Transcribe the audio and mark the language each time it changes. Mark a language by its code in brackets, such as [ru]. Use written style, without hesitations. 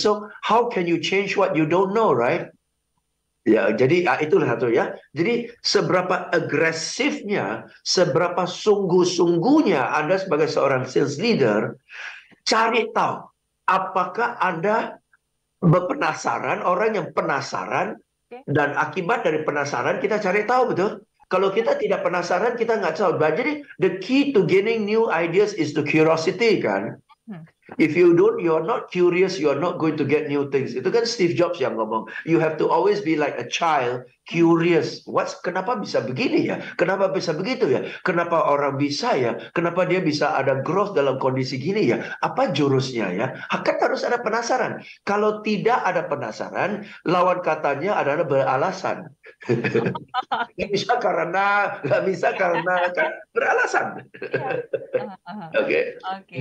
[en] So, how can you change what you don't know, right? [id] Ya, jadi, itulah satu ya. Jadi, seberapa agresifnya, seberapa sungguh-sungguhnya Anda sebagai seorang sales leader, cari tahu apakah Anda berpenasaran, orang yang penasaran, dan akibat dari penasaran, kita cari tahu, betul? Kalau kita tidak penasaran, kita nggak tahu. Jadi, [en] the key to gaining new ideas is the curiosity, kan? If you don't, you're not curious, you're not going to get new things. [id] Itu kan Steve Jobs yang ngomong. [en] You have to always be like a child, curious. What's, [id] kenapa bisa begini ya? Kenapa bisa begitu ya? Kenapa orang bisa ya? Kenapa dia bisa ada growth dalam kondisi gini ya? Apa jurusnya ya? Kan harus ada penasaran. Kalau tidak ada penasaran, lawan katanya adalah beralasan. Gak bisa karena, gak bisa karena, kan? Beralasan. Oke. Okay.